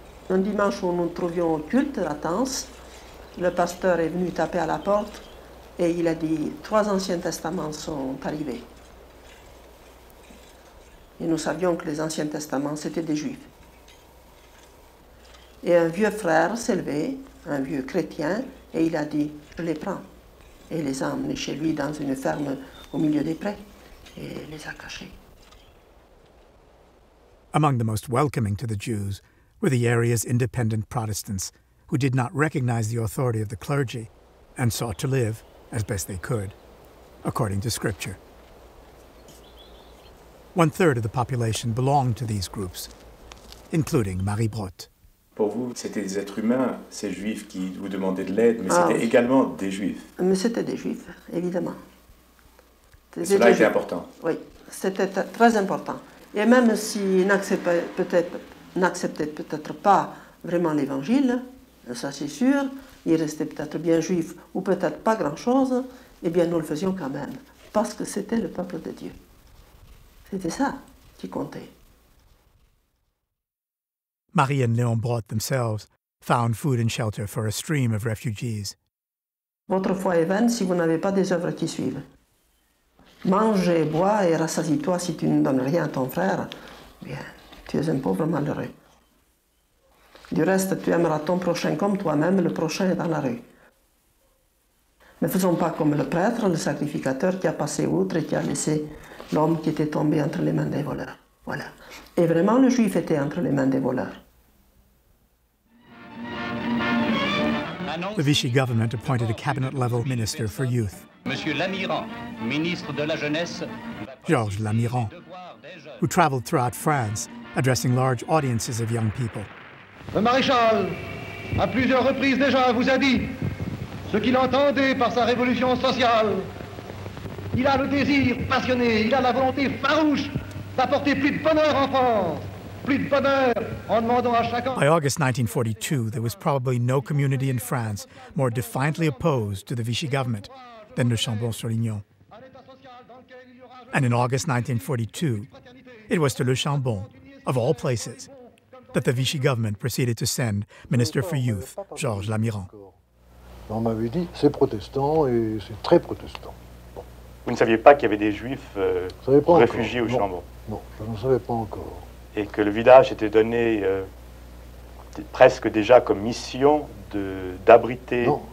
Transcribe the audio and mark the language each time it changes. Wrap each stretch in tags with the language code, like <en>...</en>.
<fr>Un dimanche où nous trouvions au culte, à Tence, le pasteur est venu taper à la porte et il a dit « Trois anciens testaments sont arrivés. » Et nous savions que les anciens testaments, c'était des juifs. Et un vieux frère s'est levé, un vieux chrétien, et il a dit « Je les prends. » Et les a emmenés chez lui dans une ferme au milieu des prés et les a cachés.</fr> <en>Among the most welcoming to the Jews were the area's independent Protestants, who did not recognize the authority of the clergy and sought to live as best they could, according to scripture. 1/3 of the population belonged to these groups, including Marie Brotte.</en> <fr>Pour vous, c'était des êtres humains, ces juifs qui vous demandaient de l'aide, mais c'était également des juifs. Mais c'était des juifs, évidemment. Cela était important. Oui, c'était très important. Et même s'ils n'acceptaient peut-être pas vraiment l'évangile, ça c'est sûr, ils restaient peut-être bien juifs ou peut-être pas grand-chose, eh bien nous le faisions quand même, parce que c'était le peuple de Dieu. C'était ça qui comptait.</fr> <en>Marie and Léon Brotte themselves found food and shelter for a stream of refugees.</en> <fr>Votre foi est vaine si vous n'avez pas des œuvres qui suivent. Mange et bois et rassasie-toi si tu ne donnes rien à ton frère. Bien, tu es un pauvre malheureux. Du reste, tu aimeras ton prochain comme toi-même, le prochain est dans la rue. Ne faisons pas comme le prêtre, le sacrificateur qui a passé outre et qui a laissé l'homme qui était tombé entre les mains des voleurs. Voilà. Et vraiment, le juif était entre les mains des voleurs.</fr> <en>The Vichy government appointed a cabinet-level minister for youth.</en> <fr>Monsieur Lamiran, ministre de la jeunesse.</fr> <en>Georges Lamiran, who traveled throughout France, addressing large audiences of young people.</en> <fr>Le maréchal, à plusieurs reprises déjà, vous a dit ce qu'il entendait par sa révolution sociale. Il a le désir passionné, il a la volonté farouche d'apporter plus de bonheur en France, plus de bonheur en demandant à chacun.</fr> <en>By August 1942, there was probably no community in France more defiantly opposed to the Vichy government than Le Chambon-sur-Lignon. And in August 1942, it was to Le Chambon, of all places, that the Vichy government proceeded to send Minister for Youth, Georges Lamiran.</en> <fr>On m'avait dit, c'est protestant et c'est très protestant. Bon. Vous ne saviez pas qu'il y avait des juifs réfugiés encore. Au Chambon? Non, je ne savais pas encore. Et que le village était donné presque déjà comme mission d'abriter</fr>